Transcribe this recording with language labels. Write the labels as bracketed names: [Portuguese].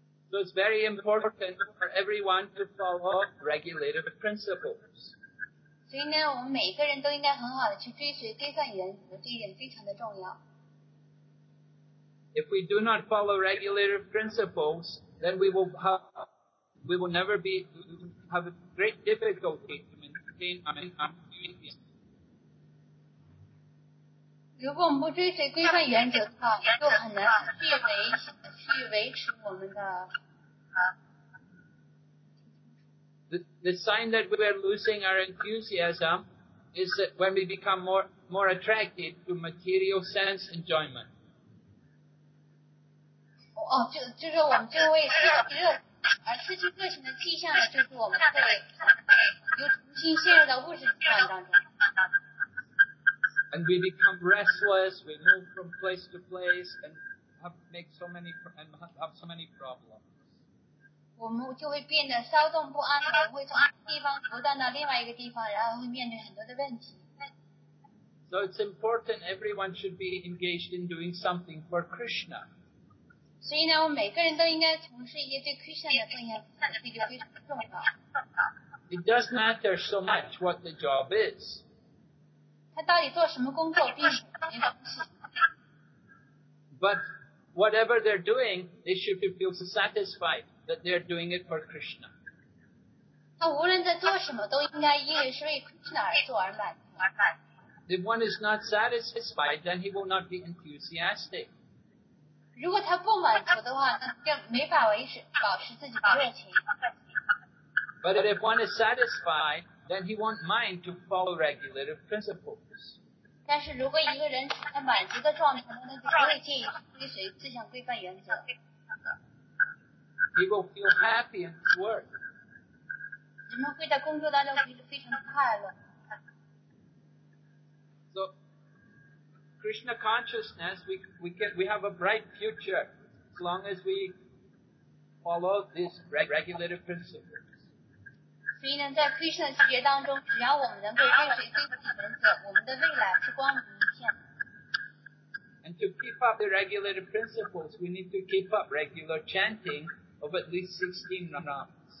[English] So it's very important for everyone to follow regulative principles. [Chinese] 所以呢，我们每个人都应该很好的去追随规范原则，这一点非常的重要。 [English] If we do not follow regulative principles, then we will have a great difficulty to maintain our community. [Chinese] 如果我们不追随规范原则的话，就很难去维持我们的。 [English] The sign that we are losing our enthusiasm is that when we become more attracted to material sense enjoyment. [Chinese] 就是我们就会失去热情的迹象，就是我们会又重新陷入到物质欲望当中。 [English] And we become restless, we move from place to place and have so many problems. [Chinese] 我们就会变得骚动不安，我们会从一个地方不断到另外一个地方，然后会面对很多的问题。 [English] So it's important everyone should be engaged in doing something for Krishna. [Chinese] 所以呢，我们每个人都应该从事一些对 Krishna 的奉献，这个非常重要。 [English] It does matter so much what the job is. [Chinese] 他到底做什么工作并不没关系。 [English] But whatever they're doing, they should feel satisfied that they're doing it for Krishna. [Chinese] 他无论在做什么都应该因为是为 Krishna 而做而满足。 [English] If one is not satisfied, then he will not be enthusiastic. [Chinese] 如果他不满足的话，那就没法保持自己的热情。 [English] But if one is satisfied,then he won't mind to follow regulative principles. [Chinese] 但是如果一个人在满足的状态，他就不会介意追随这项规范原则。 [English] He will feel happy in his work. [Chinese] 人们会在工作当中觉得非常快乐。 [English] So, Krishna consciousness, we have a bright future as long as we follow these regulative principles. [Chinese] 所以呢，在 Krishna 的觉当中，只要我们能够追随这个原则，我们的未来是光明一片。 [English] And to keep up the regulative principles, we need to keep up regular chanting of at least 16 rounds.